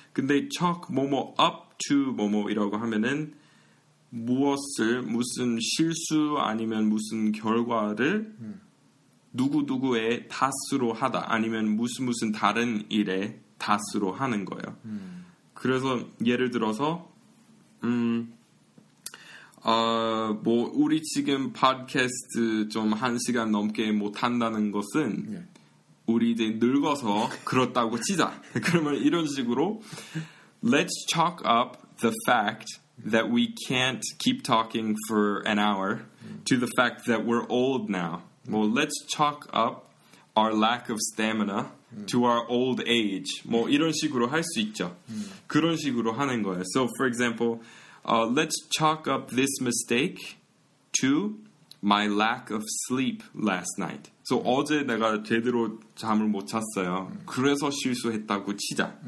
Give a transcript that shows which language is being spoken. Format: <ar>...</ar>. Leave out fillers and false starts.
<ko>근데 chalk momo up to momo이라고 하면은 무엇을 무슨 실수 아니면 무슨 결과를 누구누구의 탓으로 하다 아니면 무슨 다른 일의 탓으로 하는 거예요. 그래서 예를 들어서 뭐 우리 지금 팟캐스트 좀 한 시간 넘게 못 한다는 것은 우리 이제 늙어서 그렇다고 치자. 그러면 이런 식으로</ko> <en>Let's chalk up the fact that we can't keep talking for an hour to the fact that we're old now. Well, let's chalk up our lack of stamina to our old age.</en> <ko>뭐 이런 식으로 할 수 있죠. 그런 식으로 하는 거예요.</ko> <en>So, for example, let's chalk up this mistake to my lack of sleep last night.</en> <ko>So, 어제 내가 제대로 잠을 못 잤어요. 그래서 실수했다고 치자.</ko>